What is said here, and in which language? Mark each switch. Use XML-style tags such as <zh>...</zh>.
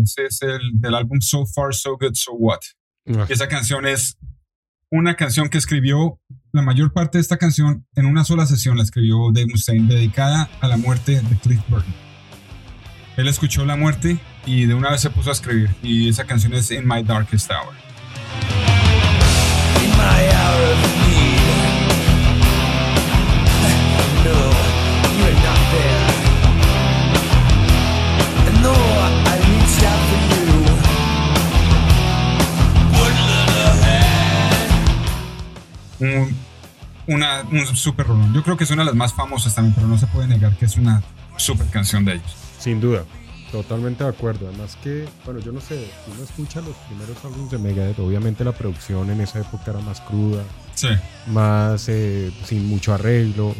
<es>Ese es el del álbum So Far, So Good, So What. Esa canción es una canción que escribió, la mayor parte de esta canción en una sola sesión la escribió Dave Mustaine, dedicada a la muerte de Cliff Burton. Él escuchó la muerte y de una vez se puso a escribir. Y esa canción es In My Darkest Hour.</es> <en>In my hour of need, no, you're not there. And though I reached out for you, wouldn't look ahead.</en> <es>Un super rolón. Yo creo que es una de las más famosas también, pero no se puede negar que es una super canción de ellos. Sin duda, totalmente de acuerdo. Además que, bueno, yo no sé, si uno escucha los primeros álbumes de Megadeth, obviamente la producción en esa época era más cruda, sí, más sin mucho arreglo.</es>